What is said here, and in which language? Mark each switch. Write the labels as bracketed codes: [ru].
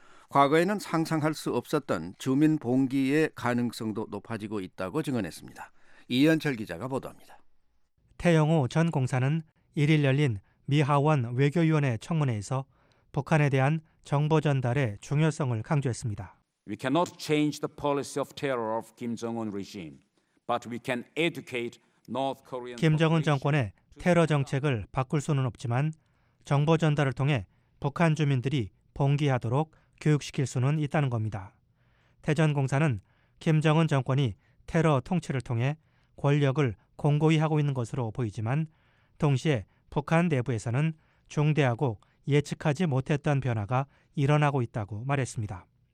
[ko] 과거에는 상상할 수 없었던 주민 봉기의 가능성도 높아지고 있다고 증언했습니다. 이현철 기자가 보도합니다. 태영호 전 공사는 1일 열린 미 하원 외교위원회 청문회에서 북한에 대한 정보 전달의 중요성을 강조했습니다. [en] We cannot change the policy of terror of Kim Jong-un regime, but we can educate North Korean. [ko] 김정은 정권의 테러 정책을 바꿀 수는 없지만 정보 전달을 통해 북한 주민들이 봉기하도록 교육시킬 수는 있다는 겁니다. 태전 공사는 김정은 정권이 테러 통치를 통해 권력을 공고히 하고 있는 것으로 보이지만 동시에 북한 내부에서는 중대하고 예측하지 못했던 변화가 일어나고 있다고 말했습니다.